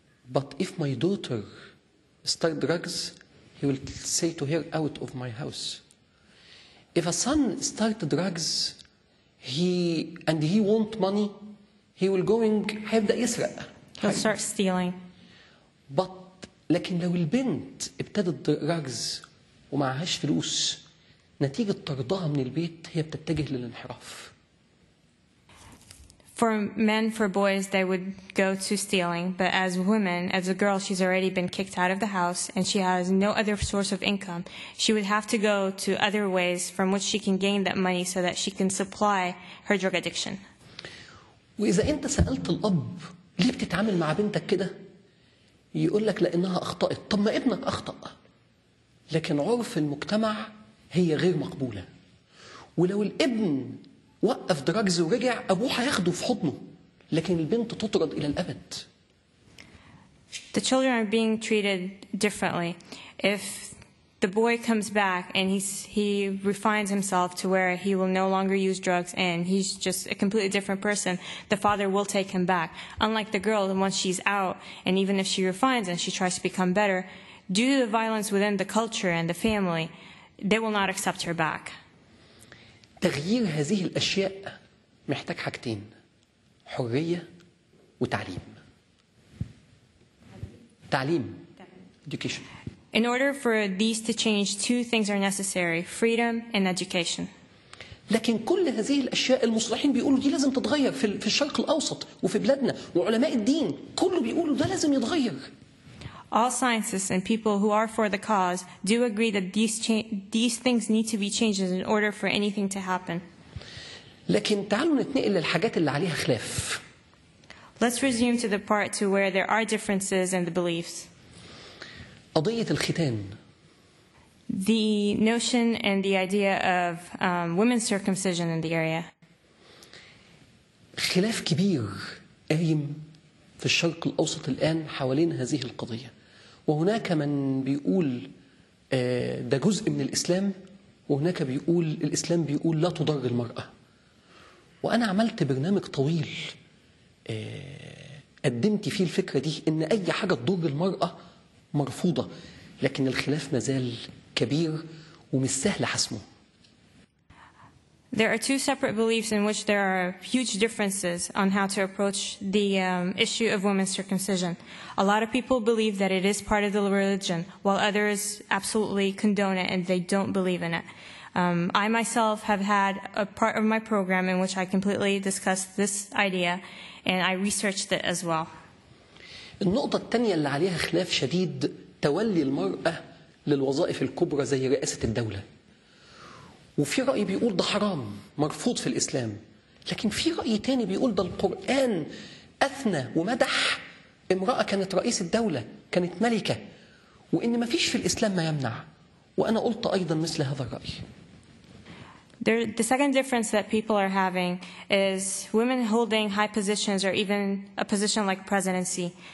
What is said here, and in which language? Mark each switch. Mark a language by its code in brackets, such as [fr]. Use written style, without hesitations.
[en] But if my daughter start drugs, he will say to her out of my house. If a son start drugs, he want money, he will going have the [ar] يسرق. [en] He'll start stealing. But [ar] لكن لو البنت ابتدت [en] drugs [ar] ومعهاش فلوس, نتيجة طردها من البيت هي بتتجه للانحراف. [en] For men, for boys, they would go to stealing. But as women, as a girl, she's already been kicked out of the house and she has no other source of income. She would have to go to other ways from which she can gain that money so that she can supply her drug addiction. [ar] وإذا أنت سألت الأب ليه بتتعامل مع بنتك كده؟ يقول لك لأنها أخطأت. طب ما ابنك أخطأ. لكن عرف المجتمع هي غير مقبولة. ولو الابن وقف دراجز ورجع أبوه هياخده في حضنه, لكن البنت تطرد إلى الأبد. [en] The children are being treated differently. If the boy comes back and he refines himself to where he will no longer use drugs and he's just a completely different person, the father will take him back. Unlike the girl, once she's out and even if she refines and she tries to become better, due to the violence within the culture and the family, they will not accept her back. [ar] تغيير هذه الأشياء محتاج حاجتين, حرية وتعليم. تعليم. Education. [en] In order for these to change, two things are necessary, freedom and education. [ar] لكن كل هذه الأشياء المصلحين بيقولوا دي لازم تتغير في الشرق الأوسط وفي بلادنا, وعلماء الدين كله بيقولوا ده لازم يتغير. [en] All scientists and people who are for the cause do agree that these things need to be changed in order for anything to happen. [ar] لكن تعالوا نتنقل للحاجات اللي عليها خلاف. [en] Let's resume to the part to where there are differences in the beliefs. [ar] قضية الختان. [en] The notion and the idea of women's circumcision in the area. [ar] خلاف كبير قايم في الشرق الأوسط الآن حوالين هذه القضية. وهناك من بيقول ده جزء من الإسلام, وهناك بيقول الإسلام بيقول لا تضر المرأة. وأنا عملت برنامج طويل قدمت فيه الفكرة دي, إن أي حاجة تضر المرأة مرفوضة, لكن الخلاف مازال كبير ومش سهل حسمه. [en] There are two separate beliefs in which there are huge differences on how to approach the issue of women's circumcision. A lot of people believe that it is part of the religion, while others absolutely condone it and they don't believe in it. I myself have had a part of my program in which I completely discussed this idea, and I researched it as well. [ar] النقطة الثانية اللي عليها خلاف شديد تولي المرأة للوظائف الكبرى زي رئاسة الدولة. وفي رأي بيقول ده حرام مرفوض في الإسلام, لكن في رأي تاني بيقول ده القرآن أثنى ومدح امرأة كانت رئيس الدولة, كانت ملكة, وإن ما فيش في الإسلام ما يمنع. وأنا قلت أيضا مثل هذا الرأي. [en] The second difference that people are having is women holding high positions or even a position like presidency.